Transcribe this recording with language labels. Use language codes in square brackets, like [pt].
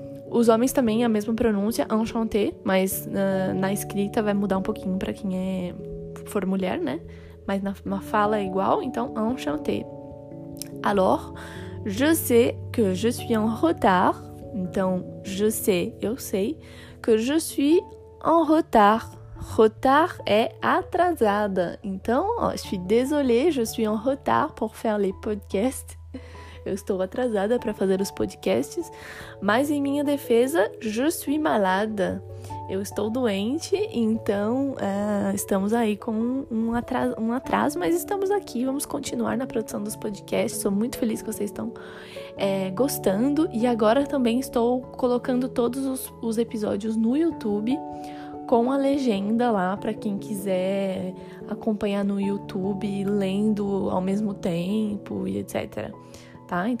[pt] Os homens também a mesma pronúncia, enchanté, mas na escrita vai mudar um pouquinho para quem for mulher, né? Mas na fala é igual, então enchanté. [fr] Alors, je sais que je suis en retard. [pt] Então, [fr] je sais, [pt] eu sei, [fr] que je suis en retard. [pt] Retard é atrasada. Então, [fr] je suis désolée, je suis en retard pour faire les podcasts. [pt] Eu estou atrasada para fazer os podcasts, mas em minha defesa, [fr] je suis malade. [pt] Eu estou doente, então estamos aí com um atraso, mas estamos aqui, vamos continuar na produção dos podcasts. Sou muito feliz que vocês estão gostando. E agora também estou colocando todos os episódios no YouTube, com a legenda lá para quem quiser acompanhar no YouTube, lendo ao mesmo tempo e etc. Tá?